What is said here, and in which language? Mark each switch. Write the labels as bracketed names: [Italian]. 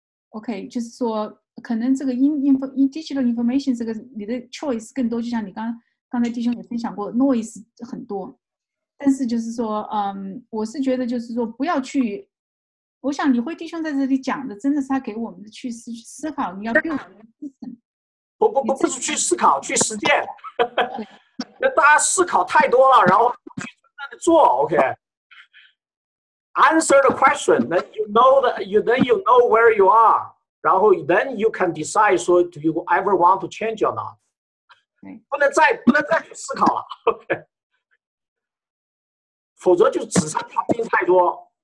[Chinese] OK, 就是说可能这个 [English] digital information [Chinese] 这个你的 choice 更多，就像你刚才弟兄也分享过 noise 很多。但是就是说我是觉得就是说不要去，我想李辉弟兄在这里讲的真的是他给我们去思考，你要不不是去思考，去实践。那大家思考太多了，然后去做 [English] OK answer the question, then you know that you, then you know where you are, [Chinese] 然后 [English] then you can decide [Chinese] 说 [English] do you ever want to change or not、 okay. [Chinese] 不能再去思考了 OK,否则就纸上谈兵太多。